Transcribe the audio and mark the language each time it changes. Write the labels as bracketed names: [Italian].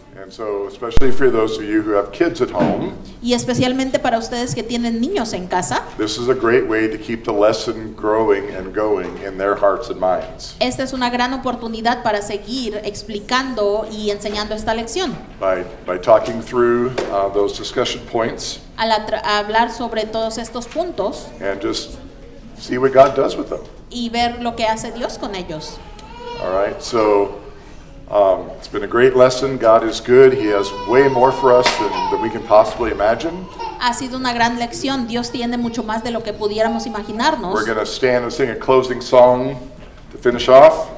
[English] And so, especially for those of you who have kids at home, [Spanish] y especialmente para ustedes que tienen niños en casa, [English] this is a great way to keep the lesson growing and going in their hearts and minds. [Spanish] Esta es una gran oportunidad para seguir explicando y enseñando esta lección. [English] By talking through those discussion points, [Spanish] al hablar sobre todos estos puntos, [English] and just see what God does with them. [Spanish] Y ver lo que hace Dios con ellos. [English] All right, so it's been a great lesson. God is good. He has way more for us than we can possibly imagine. [Spanish] Ha sido una gran lección. Dios tiene mucho más de lo que pudiéramos imaginarnos. [English] We're going to stand and sing a closing song to finish off.